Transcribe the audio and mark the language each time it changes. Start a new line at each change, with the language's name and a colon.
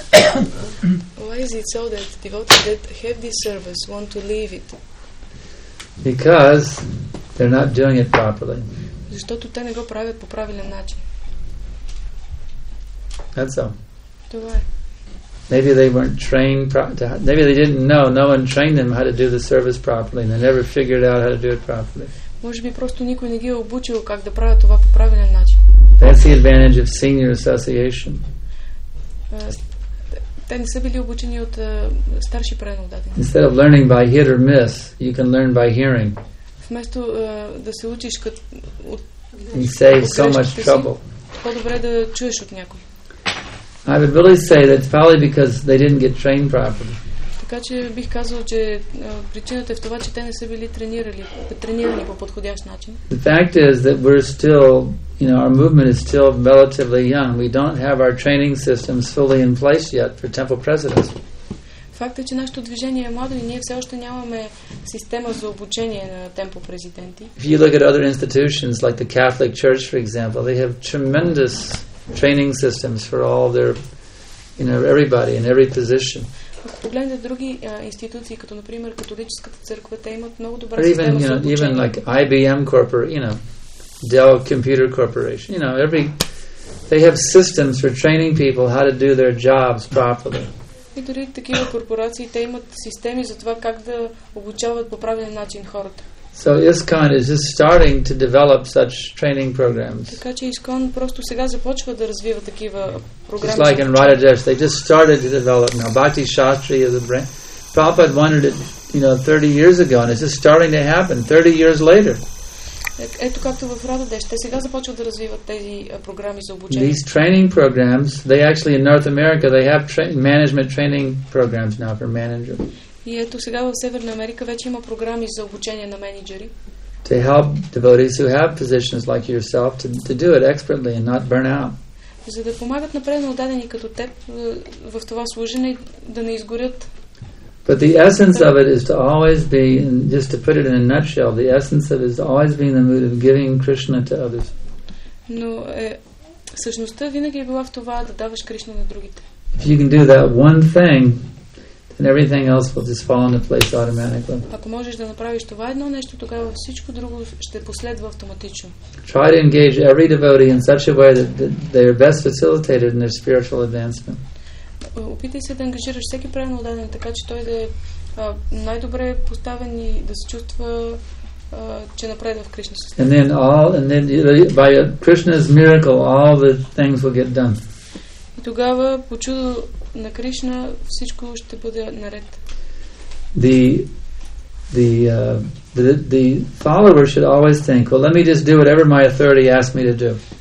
English: Why is it so that devotees that have this service want to leave it? Because they're not doing it properly.
Bulgarian: Защото те не го правят по правилен начин.
English: That's all.
Bulgarian: Това е.
English: Maybe they weren't trained. Maybe they didn't know. No one trained them how to do the service properly. And they never figured out how to do it properly.
Bulgarian: Може би просто никой не ги е обучил как да правят това по правилен начин.
English: That's the advantage of senior association.
Bulgarian: Те не са били обучени от старши преданодатели.
English: Instead of learning by hit or miss, you can learn by hearing.
Bulgarian: Вместо да се учиш като
English: save so much trouble.
Bulgarian: По-добре да чуеш от някой.
English: I would really say that it's probably because they didn't get trained properly.
Bulgarian: Така че бих казал, че причината е в това, че те не са били тренирани по подходящ начин.
English: The fact is that we're still, you know, our movement is still relatively young. We don't have our training systems fully in place yet for temple presidents.
Bulgarian: Факт е, че нашето движение е младо и ние все още нямаме система за обучение на темпо президенти.
English: If you look at other institutions like the Catholic Church, for example, they have tremendous training systems for all their, you know, everybody in every position.
Bulgarian: Ако погледнете други институции, като например католическата църква, те имат много добра система за обучение.
English: Even, you know, even like IBM Corporation, you know, Dell Computer Corporation, you know, every, they have systems for training people how to do their jobs properly.
Bulgarian: И дори такива корпорации, те имат системи за това как да обучават по правилен начин хората.
English: So ISKCON is just starting to develop such training programs.
Bulgarian: Така че ISKCON просто сега започва да развива такива програми.
English: Just like in Radhadesh, they just started to develop now. Bhakti Shastri is a brand. Prabhupada wanted it, you know, 30 years ago, and it's just starting to happen 30 years later.
Bulgarian: Ето както в Рададеш, те сега започват да развиват тези програми за обучение.
English: These training programs, they actually in North America, they have management training programs now for managers.
Bulgarian: И ето сега в Северна Америка вече има програми за обучение на менеджери.
English: To help devotees who have positions like yourself to do it expertly and not burn out.
Bulgarian: За да помагат на преданодадени като теб в това служене да не изгорят.
English: But the essence of it is to always be, and just to put it in a nutshell, the essence of it is always being in the mood of giving Krishna to others.
Bulgarian: Но Същността винаги е била в това да даваш Кришна на другите.
English: If you can do that one thing, then everything else will just fall into place automatically.
Bulgarian: Ако можеш да направиш това едно нещо, тогава всичко друго ще последва автоматично.
English: Try to engage every devotee in such a way that they are best facilitated in their spiritual advancement.
Bulgarian: Опитай се да ангажираш всеки правилно даден, така че той да е най-добре поставен и да се чувства че напредва в Кришна състояние.
English: And then all and then by Krishna's miracle all the things will get done.
Bulgarian: И тогава по чудо на Кришна всичко ще бъде наред.
English: The follower should always think, well, let me just do whatever my authority asks me to do.